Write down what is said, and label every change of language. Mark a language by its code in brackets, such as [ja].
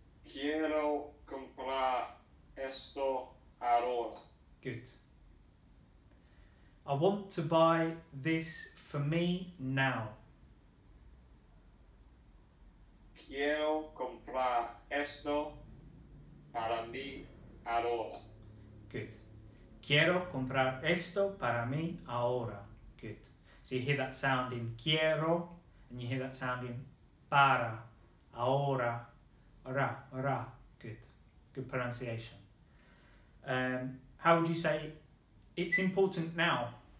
[es] Quiero comprar esto ahora. [en] Good. I want to buy this for me now. [es] Quiero comprar esto para mí ahora. [en] Good. [es] Quiero comprar esto para mí ahora. [en] Good. So you hear that sound in quiero, and you hear that sound in para, ahora, ra, ra. Good. Good pronunciation. How would you say it's important now?